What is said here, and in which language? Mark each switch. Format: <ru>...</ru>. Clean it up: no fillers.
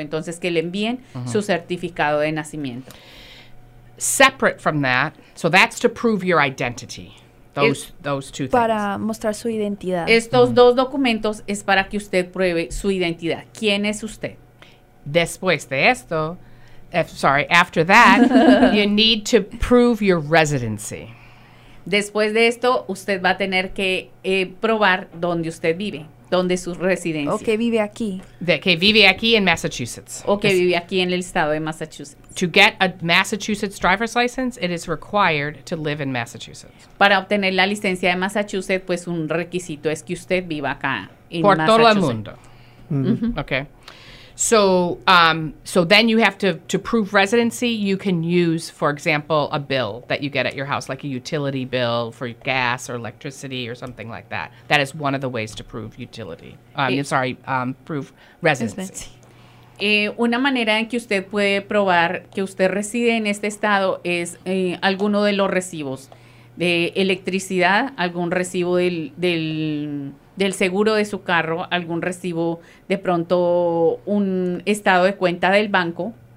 <es>Entonces, que le envíen su certificado de nacimiento.</es> <en>Separate from that, so that's to prove your identity. Those two things.</en> <es>Para mostrar su identidad. Estos dos documentos es para que usted pruebe su identidad. ¿Quién es usted? Después de esto,</es> <en>after that, you need to prove your residency.</en> <es>Después de esto, usted va a tener que probar dónde usted vive, dónde es su residencia. O que vive aquí. Que vive aquí en Massachusetts. O que vive aquí en el estado de Massachusetts.</es> <en>To get a Massachusetts driver's license, it is required to live in Massachusetts.</en> <es>Para obtener la licencia de Massachusetts, pues un requisito es que usted viva acá en Massachusetts. Por todo el mundo.</es> <en>Okay. So then you have to prove residency. You can use, for example, a bill that you get at your house, like a utility bill for gas or electricity or something like that. That is one of the ways to prove utility. Prove residency.</en> <es>Una manera en que usted puede probar que usted reside en este estado es alguno de los recibos de electricidad, algún recibo del seguro de su carro, algún recibo de pronto un estado de cuenta del banco.</es>